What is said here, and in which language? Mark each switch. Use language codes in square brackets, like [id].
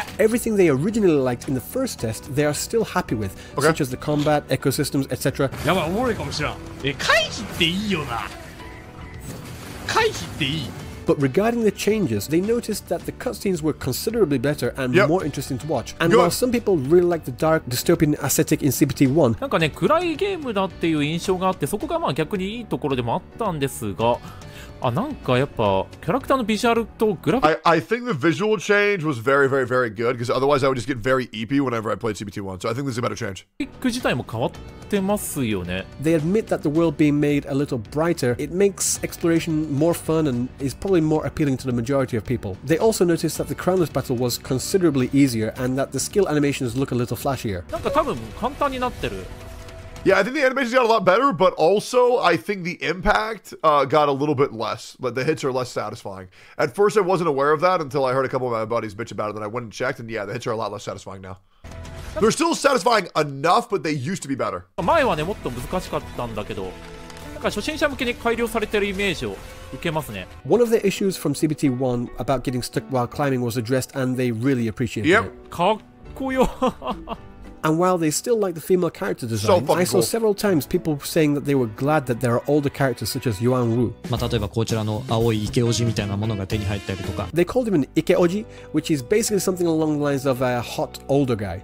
[en] Everything they originally liked in the first test, they are still happy with, such as the combat, ecosystems, etc. But regarding the changes, they noticed that the cutscenes were considerably better and more interesting to watch. And while some people really liked the dark, dystopian aesthetic in CBT1, [ja] なんかね、暗いゲームだっていう印象があって、そこがまあ逆にいいところでもあったんですが、あ、なんかやっぱキャラクターのビジュアルとグラフ [en] I think the visual change was very, very, very good, because otherwise I would just get very eepy whenever I played CBT1, so I think this is a better change. [ja] グラフィック自体も変わってますよね。 [en] They admit that the world being made a little brighter, it makes exploration more fun and is probably more appealing to the majority of people. They also noticed that the crownless battle was considerably easier and that the skill animations look a little flashier. [ja] なんか多分簡単になってる。 [en] Yeah, I think the animation got a lot better, but also I think the impact got a little bit less. But the hits are less satisfying. At first, I wasn't aware of that until I heard a couple of my buddies bitch about it. Then I went and checked, and yeah, the hits are a lot less satisfying now. They're still satisfying enough, but they used to be better. [ja] 前はね、もっと難しかったんだけど、なんか初心者向けに改良されてるイメージを。 [en] One of the issues from CBT1 about getting stuck while climbing was addressed, and they really appreciated it. [ja] かっこよ。 [en] And while they still like the female character design, so I saw several times people saying that they were glad that there are older characters such as Yuan Wu. They called him an Ikeoji, which is basically something along the lines of a hot older guy.